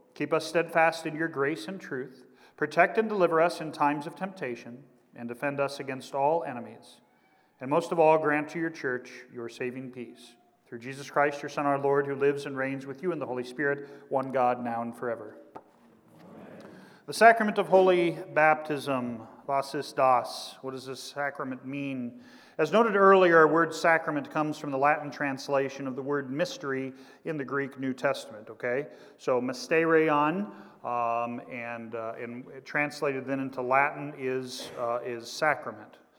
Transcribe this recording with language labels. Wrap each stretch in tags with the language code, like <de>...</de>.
<en>Keep us steadfast in your grace and truth. Protect and deliver us in times of temptation, and defend us against all enemies. And most of all, grant to your church your saving peace. Through Jesus Christ, your Son, our Lord, who lives and reigns with you in the Holy Spirit, one God, now and forever. Amen. The sacrament of holy baptism,</en> <de>vas ist das?</de> <en>What does this sacrament mean? As noted earlier, our word sacrament comes from the Latin translation of the word mystery in the Greek New Testament, okay? So mysterion, and translated then into Latin is sacrament.</en>